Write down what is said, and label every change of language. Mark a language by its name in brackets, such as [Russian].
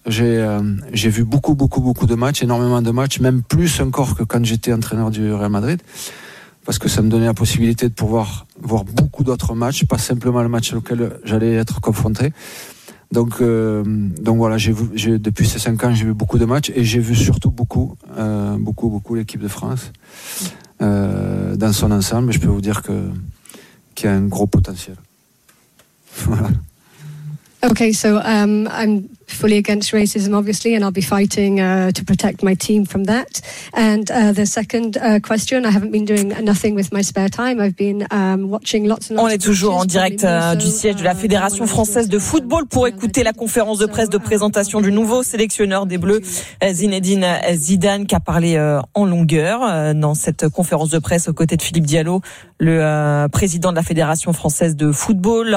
[French] J'ai vu beaucoup de matchs, énormément de matchs, même plus encore que quand j'étais entraîneur du Real Madrid, parce que ça me donnait la possibilité de pouvoir voir beaucoup d'autres matchs, pas simplement le match auquel j'allais être confronté. Donc voilà, depuis ces 5 ans, j'ai vu beaucoup de matchs, et j'ai vu surtout beaucoup l'équipe de France dans son ensemble. Je peux vous dire qu'il y a un gros potentiel. [English] Okay, so I'm fully against racism, obviously, and I'll be fighting to protect my team from that. And the second question, I haven't been doing nothing with my spare time. I've been watching lots and lots. [French] On est toujours en direct du siège de la Fédération française de football pour écouter la conférence de presse de présentation du nouveau sélectionneur des Bleus, Zinedine Zidane, qui a parlé en longueur dans cette conférence de presse aux côtés de Philippe Diallo, le président de la Fédération française de football.